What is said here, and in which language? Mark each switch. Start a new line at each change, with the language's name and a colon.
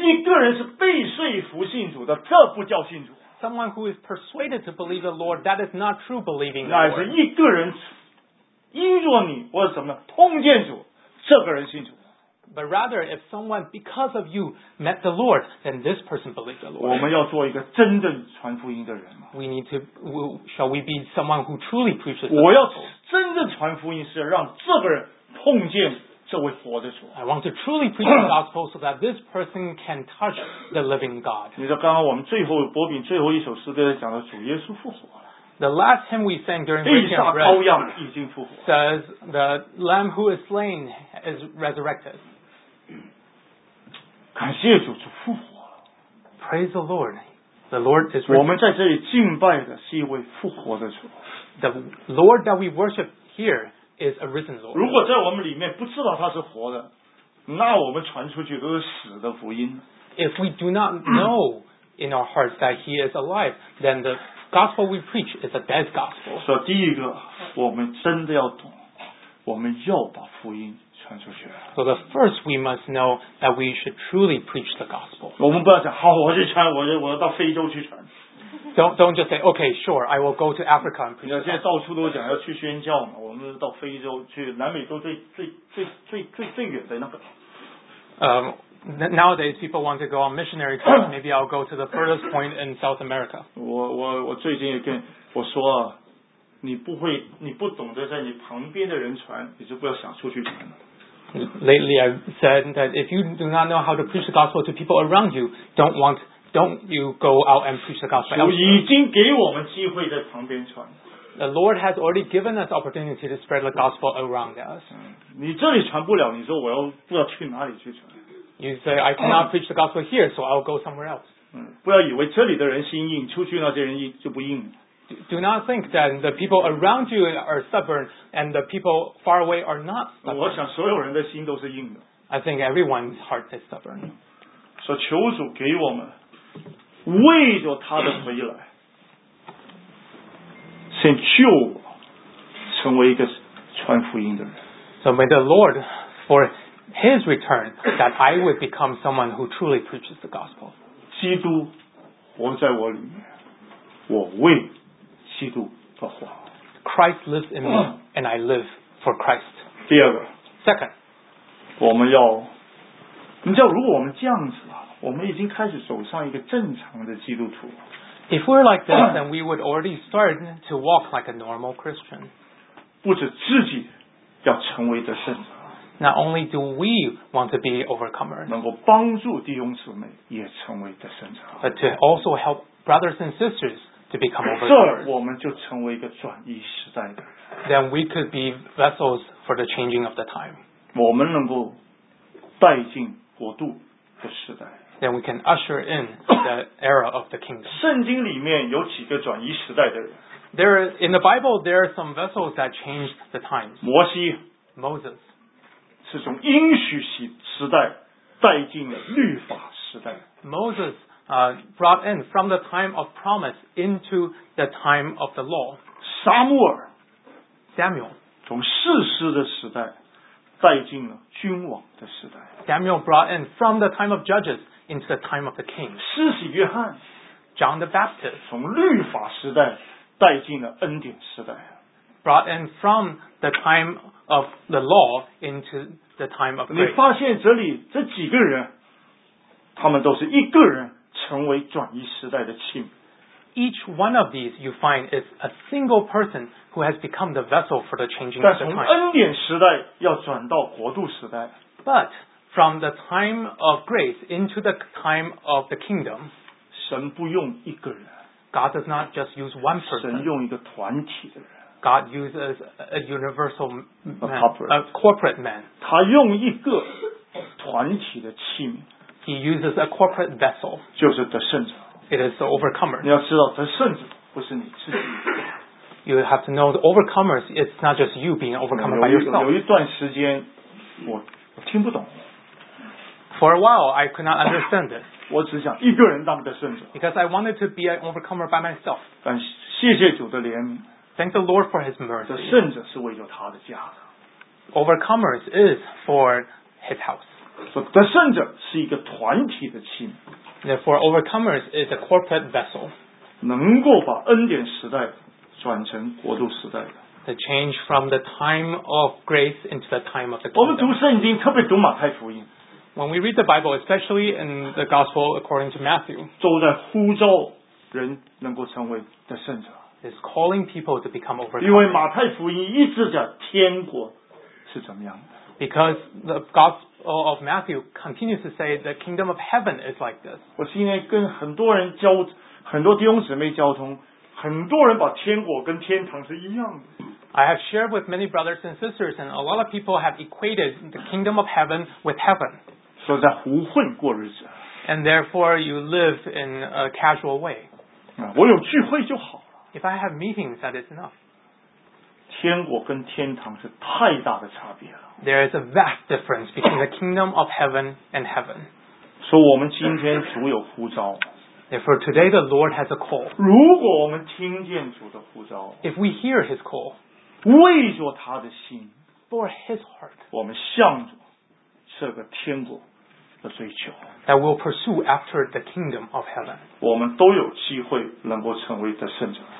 Chinese: 一个人是被说服信主的，这不叫信主。
English: Someone who is persuaded to believe the Lord, that is not true believing the Lord.
Chinese: 乃是一个人因着你或者什么碰见主，这个人信主。
English: But rather, if someone because of you met the Lord, then this person believed the Lord.
Chinese: 我们要做一个真正传福音的人吗？
English: We need to. Shall we be someone who truly preaches the gospel?
Chinese: 我要真正传福音是让这个人碰见这位活的主。
English: I want to truly preach the gospel so that this person can touch the living God.
Chinese: 你知道刚刚我们最后伯饼最后一首诗歌讲到主耶稣复活了。
English: The last hymn we sang during Breaking of Bread says the Lamb who is slain is resurrected.
Chinese: 感谢主就复活了。
English: Praise the Lord. The Lord is risen.
Chinese: 我们在这里敬拜的是一位复活的主。
English: The Lord that we worship here is a risen Lord.
Chinese: 如果在我们里面不知道他是活的，那我们传出去都是死的福音。
English: If we do not know in our hearts that he is alive, then the gospel we preach is a dead gospel. So,
Chinese: 第一个，我们真的要懂，我们要把福音传出去。
English: So the first we must know that we should truly preach the gospel.
Chinese: 我们不要讲好，我去传，我要到非洲去传。
English: Don't just say, okay, sure, I will go to Africa and preach.
Chinese: 现在到处都讲要去宣教嘛，我们到非洲去，南美洲最远的那个。
English: Nowadays, people want to go on missionary tours. Maybe I'll go to the furthest point in South America.
Chinese: 我最近也跟我说啊，你不懂得在你旁边的人传，你就不要想出去传了。
English: Lately, I've said that if you do not know how to preach the gospel to people around you, don't you go out and preach the gospel.
Chinese: 主已经给我们机会在旁边传。
English: The Lord has already given us opportunity to spread the gospel around us.
Chinese: 你这里传不了，你说我要不知道去哪里去传。
English: You say, I cannot preach the gospel here, so I'll go somewhere else.
Chinese: 不要以为这里的人心硬，出去那些人硬就不硬。
English: Do not think that the people around you are stubborn and the people far away are not stubborn.
Chinese: 我想所有人的心都是硬的。
English: I think everyone's heart is stubborn.
Chinese: 所以求主给我们，为着他的回来，先救我，成为一个传福音的人。
English: So may the Lord for His return, that I would become someone who truly preaches the gospel.
Chinese: 基督活在我里面，我为基督而活。
English: Christ lives in me, and I live for Christ.
Chinese: 第二个
English: ，second，
Chinese: 我们要，你知道，如果我们这样子了，我们已经开始走上一个正常的基督徒。
English: If we're like this, then we would already start to walk like a normal Christian.
Chinese: 不止自己要成为的圣者。
English: Not only do we want to be overcomers,
Chinese: 能够帮助弟兄姊妹也成为得胜者，
English: but to also help brothers and sisters to become overcomers.
Chinese: 这我们就成为一个转移时代的。
English: Then we could be vessels for the changing of the time.
Chinese: 我们能够带进国度的时代。
English: Then we can usher in the era of the kingdom.
Chinese: 圣经里面有几个转移时代的人。
English: In the Bible, there are some vessels that change the times.
Chinese: 摩西
English: Moses.
Chinese: 是从应许时代带进了律法时代。
English: Moses brought in from the time of promise into the time of the law. Samuel
Chinese: 从士师的时代带进了君王的时代。
English: Samuel brought in from the time of judges into the time of the king.
Chinese: 施洗约翰
English: John the Baptist
Chinese: 从律法时代带进了恩典时代。
English: Brought in from the time of the law into the time of grace.
Chinese: 你发现这里这几个人，他们都是一个人成为转移时代的器皿。
English: Each one of these you find is a single person who has become the vessel for the changing of the time.
Chinese: 但从恩典时代要转到国度时代。
English: But from the time of grace into the time of the kingdom,
Chinese: 神不用一个人。
English: God does not just use one person.
Chinese: 神用一个团体的人。
English: God uses a universal man, a corporate man.
Chinese: 他用一个团体的器皿。
English: He uses a corporate vessel.
Chinese: 就是得胜者。
English: It is the overcomer.
Chinese: 你要知道，得胜者不是你自己。
English: You have to know the overcomers. It's not just you being overcome by yourself.
Chinese: 有一段时间，我听不懂。
English: For a while, I could not understand this.
Chinese: 我只想一个人当得胜者。
English: Because I wanted to be an overcomer by myself.
Chinese: 但谢谢主的怜悯。
English: Thank the Lord for His mercy.
Chinese: 得胜者是为着他的家的。
English: Overcomers is for His house.
Chinese: 得胜者是一个团体的器皿。
English: Therefore, overcomers is a corporate vessel.
Chinese: 能够把恩典时代转成国度时代的。
English: The change from the time of grace into the time of the kingdom.
Chinese: 我们读圣经，特别读马太福音。
English: When we read the Bible, especially in the Gospel according to Matthew,
Chinese: 都在呼召人能够成为得胜者。
English: Is calling people to become overcomers.
Chinese: 因为马太福音一直讲天国是怎么样的。
English: Because the Gospel of Matthew continues to say the kingdom of heaven is like this.
Chinese: 我今天跟很多人交，很多弟兄姊妹交通，很多人把天国跟天堂是一样的。
English: I have shared with many brothers and sisters, and a lot of people have equated the kingdom of heaven with heaven.
Chinese: 所以在胡混过日子。
English: And therefore you live in a casual way.
Chinese: 我有聚会就好。
English: If I have meetings, that is enough.
Chinese: 天国跟天堂是太大的差别了。
English: There is a vast difference between the kingdom of heaven and heaven.
Chinese: 所以我们今天主有呼召。
English: Therefore, today the Lord has a call.
Chinese: 如果我们听见主的呼召。
English: If we hear His call.
Chinese: 为着他的心。
English: For His heart.
Chinese: 我们向着这个天国的追求。
English: That will pursue after the kingdom of heaven.
Chinese: 我们都有机会能够成为得胜者。